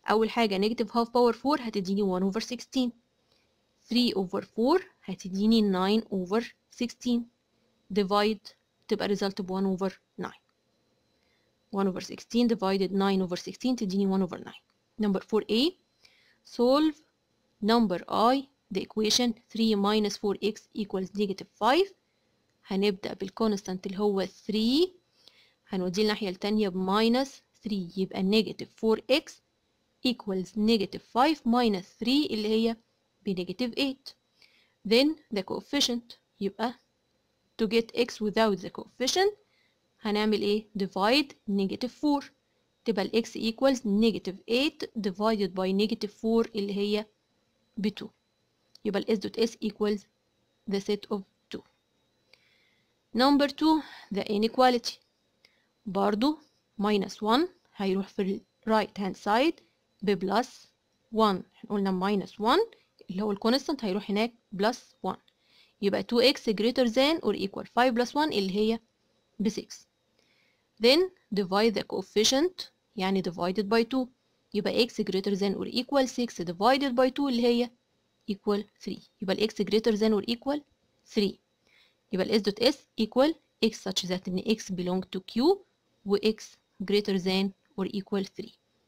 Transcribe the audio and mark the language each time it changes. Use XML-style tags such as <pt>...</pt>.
<ar>اول حاجه نيجاتيف هاف باور 4 هتديني 1 اوفر 16، 3 اوفر 4 هتديني 9 اوفر 16، ديفايد تبقى ريزلت ب 1 اوفر 9. 1 اوفر 16 ديفايدد 9 اوفر 16 تديني 1 اوفر 9.</ar> <en>Number 4a، solve number i the equation 3 minus 4x equals negative 5.</en> <ar>هنبدأ بالconstant اللي هو 3، هنودي الناحية التانية بminus 3، يبقى</ar> <en>negative 4x equals negative 5 minus 3</en> <ar>اللي هي بnegative 8.</ar> <en>then the coefficient، يبقى to get x without the coefficient</en> <ar>هنعمل ايه؟</ar> <en>divide negative 4، تبقى الx equals negative 8 divided by negative 4 اللي هي ب2، يبقى الاس dot s equals the set of 2.</en> <ar>نمبر 2 ذا انيكواليتي، برضو ماينس 1 هيروح في الرايت هاند سايد ببلس 1، احنا قلنا ماينس 1 اللي هو الكونستانت هيروح هناك بلس 1، يبقى</ar> <en>2x greater than or equal 5</en> <ar>بلس 1 اللي هي ب6.</ar> <en>then divide the coefficient يعني divided by 2، يبقى x greater than or equal 6 divided by 2</en> <ar>اللي هي</ar> <en>equal 3، يبقى x greater than or equal 3، يبقى s dot s equal x such that ان x belong to q و x greater than or equal 3.</en>